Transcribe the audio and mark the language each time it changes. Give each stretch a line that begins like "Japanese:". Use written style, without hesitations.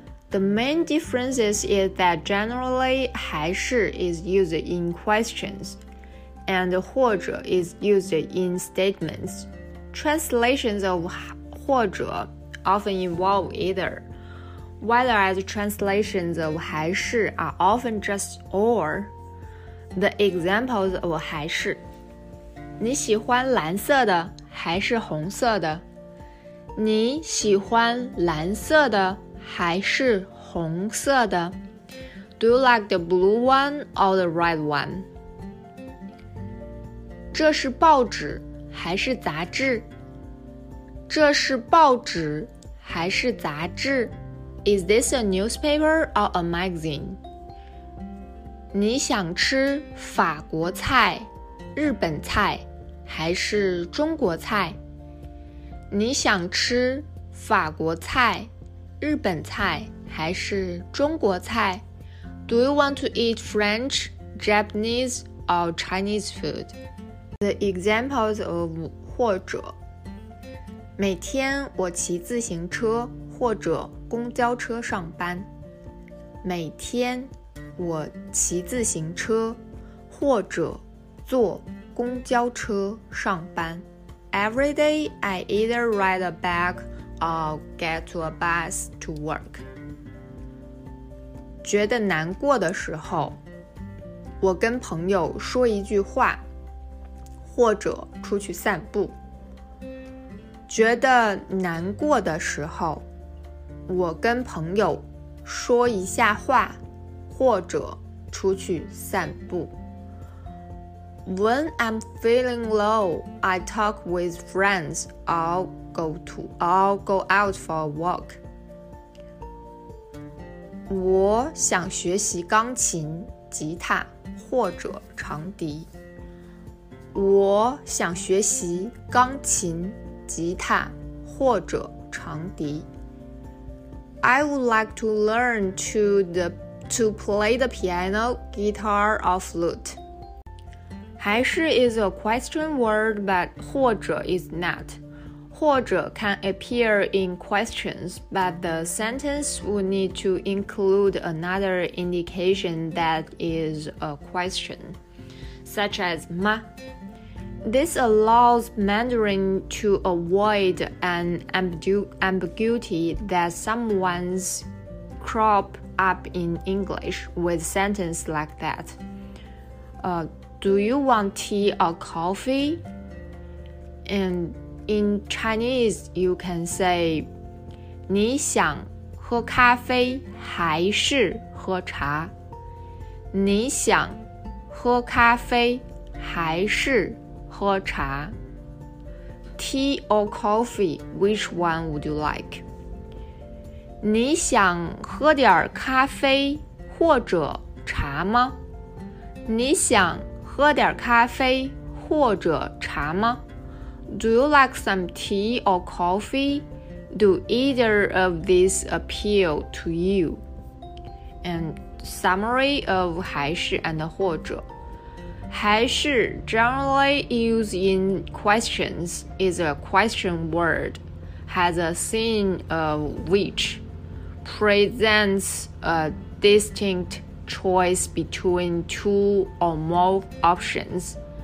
English: The main difference is that generally 还是 is used in questions, and 或者 is used in statements. Translations of 或者 often involve either, whereas translations of 还是 are often just or. The examples of
Chinese: 还是 你喜欢蓝色的还是红色的？你喜欢蓝色的还是红色的?
English: Do you like the blue one or the red one?
Chinese: 这是报纸还是杂志?这是报纸还是杂志?
English: Is this a newspaper or a magazine?
Chinese: 你想吃法国菜、日本菜还是中国菜? 你想吃法国菜?日本菜还是中国菜?
English: Do you want to eat French, Japanese, or Chinese food? The examples of
Chinese: 或者每天我骑自行车或者公交车上班每天我骑自行车或者坐公交车上班
English: Every day I either ride a bike or get to a bus to work.
Chinese: 觉得难过的时候，我跟朋友说一句话，或者出去散步。觉得难过的时候，我跟朋友说一下话，或者出去散步。
English: When I'm feeling low, I talk with friends or go out for a walk.
Chinese: 我想学习钢琴、吉他或者长笛。我想学习钢琴、吉他或者长笛。
English: I would like to learn to play the piano, guitar, or flute. 还是 is a question word, but 或者 is not. 或者 can appear in questions, but the sentence would need to include another indication that is a question, such as 吗? This allows Mandarin to avoid an ambiguity that sometimes crop up in English with sentence like that. Do you want tea or coffee? And in Chinese, you can say
Chinese: 你想喝咖啡还是喝茶? 你想喝咖啡还是喝茶?
English: Tea or coffee, which one would you like?
Chinese: 你想喝点咖啡或者茶吗? 你想喝点咖啡或者茶吗?
English: Do you like some tea or coffee? Do either of these appeal to you? And summary of 还是 and 或者. 还是 generally used in questions is a question word, has a scene of which presents a distinct choice between two or more options.